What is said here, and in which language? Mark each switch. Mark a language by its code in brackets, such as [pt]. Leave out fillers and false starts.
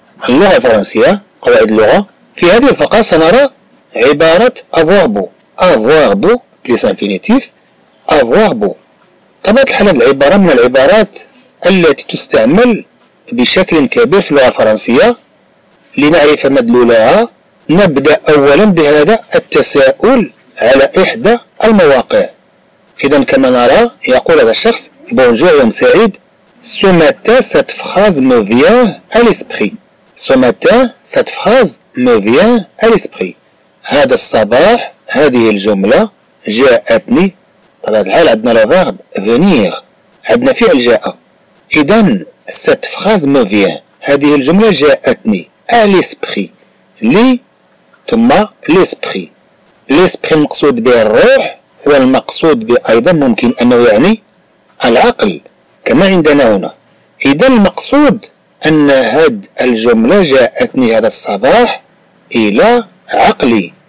[ar] اللغة الفرنسية قواعد اللغة. في هذه الفقرة سنرى عبارة [fr] avoir beau plus infinitif [ar] avoir beau. طبيعة الحال العبارة من العبارات التي تستعمل بشكل كبير في اللغة الفرنسية. لنعرف مدلولها نبدأ أولا بهذا التساؤل على إحدى المواقع. إذن كما نرى يقول هذا الشخص bonjour يوم سعيد. [fr] Ce matin, cette phrase me vient à l'esprit. Ce matin, cette phrase me vient à l'esprit. [ar] هذا الصباح هذه الجملة جاءتني. طبعا الحال عندنا الverb venir. عندنا فعل جاء. إذن [fr] cette phrase me vient. [ar] هذه الجملة جاءتني [fr] à l'esprit. [ar] لي ثم l'esprit. L'esprit مقصود بالروح والمقصود بأيضا ممكن أنه يعني العقل. كما عندنا هنا. إذا المقصود أن هذه الجملة جاءتني هذا الصباح إلى عقلي.